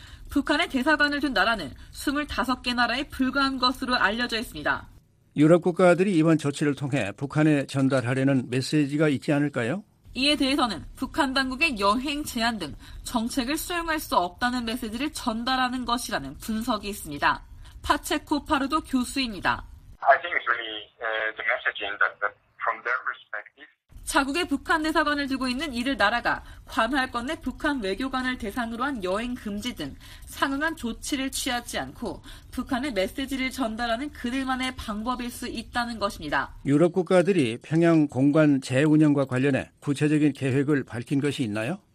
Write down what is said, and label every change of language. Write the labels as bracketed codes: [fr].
[ko] 북한에 대사관을 둔 나라는 25개 나라에 불과한 것으로 알려져 있습니다. 유럽 국가들이 이번 조치를 통해 북한에 전달하려는 메시지가 있지 않을까요? 이에 대해서는 북한 당국의 여행 제한 등 정책을 수용할 수 없다는 메시지를 전달하는 것이라는 분석이 있습니다. 파체코 파르도 교수입니다. [en] I think it's really the messaging that from their perspective. [ko] 자국의 북한 대사관을 두고 있는 이들 나라가 관할 건내 북한 외교관을 대상으로 한 여행 금지 등 상응한 조치를 취하지 않고 북한의 메시지를 전달하는 그들만의 방법일 수 있다는 것입니다. 유럽 국가들이 평양 공관 재운영과 관련해 구체적인 계획을 밝힌 것이 있나요?